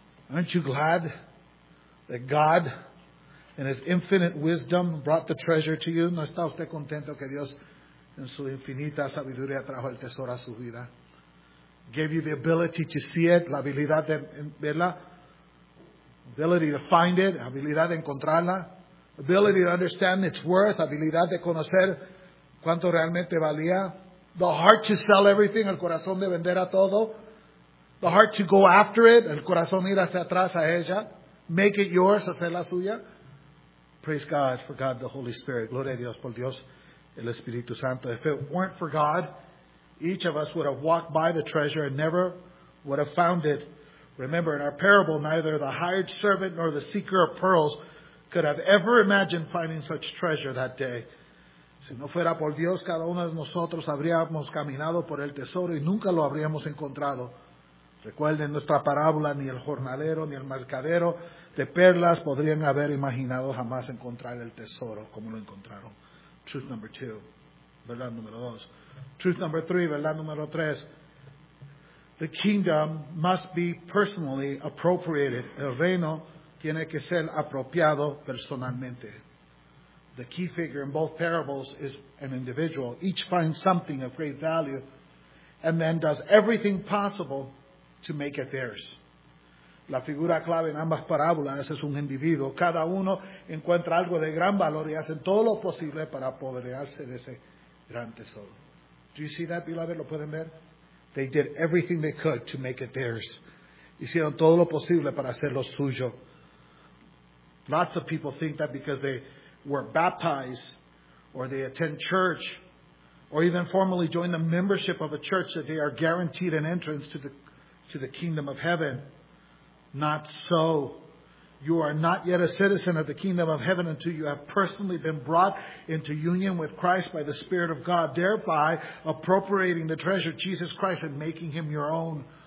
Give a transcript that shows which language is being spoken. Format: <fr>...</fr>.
<en>Aren't you glad that God, in His infinite wisdom, brought the treasure to you?</en> <es>¿No está usted contento que Dios, en su infinita sabiduría, trajo el tesoro a su vida?</es> <en>Gave you the ability to see it,</en> <es>la habilidad de verla,</es> <en>ability to find it,</en> <es>habilidad de encontrarla,</es> <en>ability to understand its worth,</en> <es>habilidad de conocer cuánto realmente valía,</es> <en>the heart to sell everything,</en> <es>el corazón de vender a todo,</es> <en>the heart to go after it,</en> <es>el corazón ir hacia atrás a ella,</es> <en>make it yours,</en> <es>hacerla suya.</es> <en>Praise God for God the Holy Spirit.</en> <es>Gloria a Dios por Dios el Espíritu Santo.</es> <en>If it weren't for God, each of us would have walked by the treasure and never would have found it. Remember, in our parable, neither the hired servant nor the seeker of pearls could have ever imagined finding such treasure that day.</en> <es>Si no fuera por Dios, cada uno de nosotros habríamos caminado por el tesoro y nunca lo habríamos encontrado. Recuerden nuestra parábola, ni el jornalero ni el mercadero de perlas podrían haber imaginado jamás encontrar el tesoro como lo encontraron.</es> <en>Truth number two,</en> <es>verdad número dos.</es> <en>Truth number three,</en> <es>verdad número tres.</es> <en>The kingdom must be personally appropriated.</en> <es>El reino tiene que ser apropiado personalmente.</es> <en>The key figure in both parables is an individual. Each finds something of great value and then does everything possible to make it theirs.</en> <es>La figura clave en ambas parábolas es un individuo. Cada uno encuentra algo de gran valor y hacen todo lo posible para apoderarse de ese gran tesoro.</es> <en>Do you see that, beloved?</en> <es>¿Lo pueden ver?</es> <en>They did everything they could to make it theirs.</en> <es>Hicieron todo lo posible para hacerlo suyo.</es> <en>Lots of people think that because they were baptized or they attend church or even formally join the membership of a church that they are guaranteed an entrance to the kingdom of heaven. Not so. You are not yet a citizen of the kingdom of heaven until you have personally been brought into union with Christ by the Spirit of God, thereby appropriating the treasure of Jesus Christ and making him your own.</en>